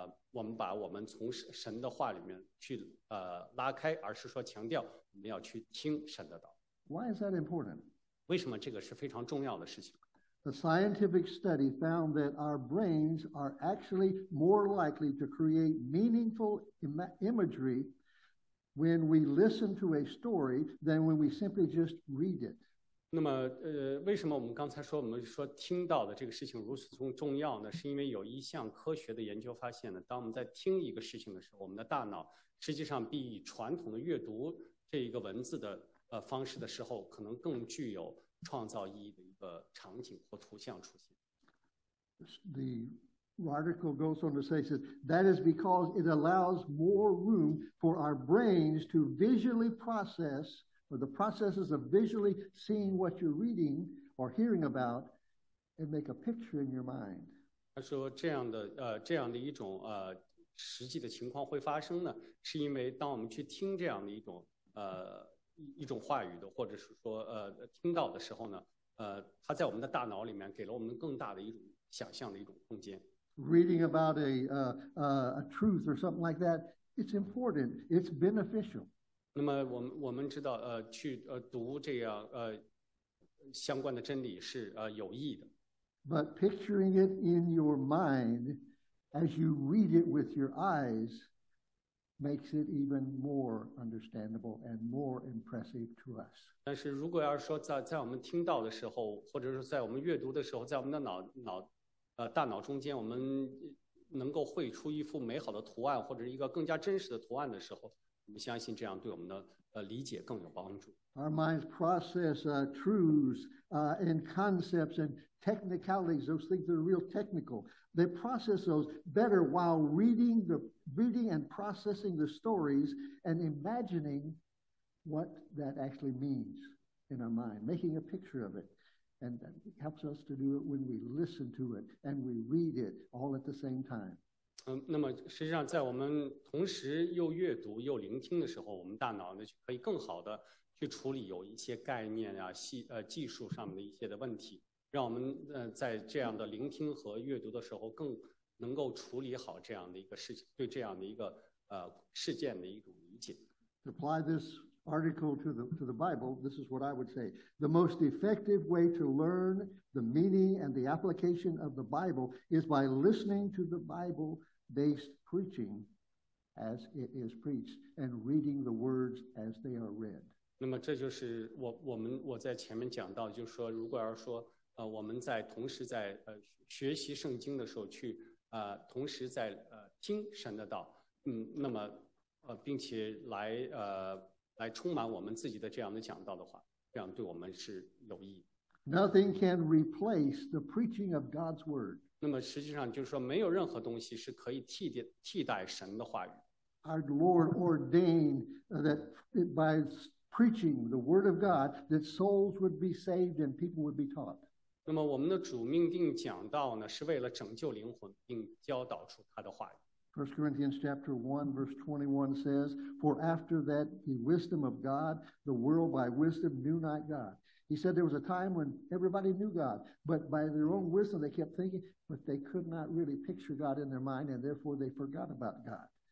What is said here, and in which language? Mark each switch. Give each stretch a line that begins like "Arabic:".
Chinese: 我们把我们从神的话里面去拉开，而是说强调我们要去听神的道。
English: Why is that important?
Chinese: 为什么这个是非常重要的事情？
English: The scientific study found that our brains are actually more likely to create meaningful imagery when we listen to a story than when we simply just read it.
Chinese: 那么为什么我们刚才说我们说听到的这个事情如此重要呢？是因为有一项科学的研究发现呢，当我们在听一个事情的时候，我们的大脑实际上比以传统的阅读这一个文字的方式的时候，可能更具有创造意义的一个场景或图像出现。
English: The article goes on to say that that is because it allows more room for our brains to visually process, or the processes of visually seeing what you're reading or hearing about, and make a picture in your mind.
Chinese: 他说这样的这样的一种实际的情况会发生呢，是因为当我们去听这样的一种一种话语的，或者是说听到的时候呢，它在我们的大脑里面给了我们更大的一种想象的一种空间。
English: Reading about a truth or something like that, it's important, it's beneficial.
Chinese: 那么我们知道去读这样相关的真理是有益的。
English: But picturing it in your mind as you read it with your eyes. Makes it even more understandable and more impressive to us.
Chinese: 但是如果要是说在我们听到的时候，或者说在我们阅读的时候，在我们的大脑中间，我们能够绘出一幅美好的图案，或者一个更加真实的图案的时候，我们相信这样对我们的理解更有帮助。
English: Our minds process truths and concepts and technicalities. Those things that are real technical. They process those better while reading and processing the stories and imagining what that actually means in our mind, making a picture of it. And that helps us to do it when we listen to it and we read it all at the same time.
Chinese: 那么实际上在我们同时又阅读又聆听的时候，我们大脑呢就可以更好的去处理有一些概念啊技术上面的一些的问题，让我们在这样的聆听和阅读的时候更能够处理好这样的一个事情，对这样的一个事件的一种理解。
English: Apply this article to the Bible. This is what I would say. The most effective way to learn the meaning and the application of the Bible is by listening to the Bible-based preaching as it is preached and reading the words as they are read.
Chinese: 那么这就是我在前面讲到，就是说，如果要说我们在同时在学习圣经的时候去同时在听神的道，那么并且来充满我们自己的这样的讲道的话，这样对我们是有益。
English: Nothing can replace the preaching of God's word.
Chinese: 那么实际上就是说，没有任何东西是可以替代神的话语。
English: Our Lord ordained that by preaching the word of God, that souls would be saved and people would be taught.
Chinese: 那么我们的主命定讲道呢，是为了拯救灵魂，并教导出他的话语。
English: First Corinthians chapter 1 verse 21 says, "For after that the wisdom of God, the world by wisdom knew not God." He said there was a time when everybody knew God, but by their own wisdom they kept thinking, but they could not really picture God in their mind, and therefore they forgot about God.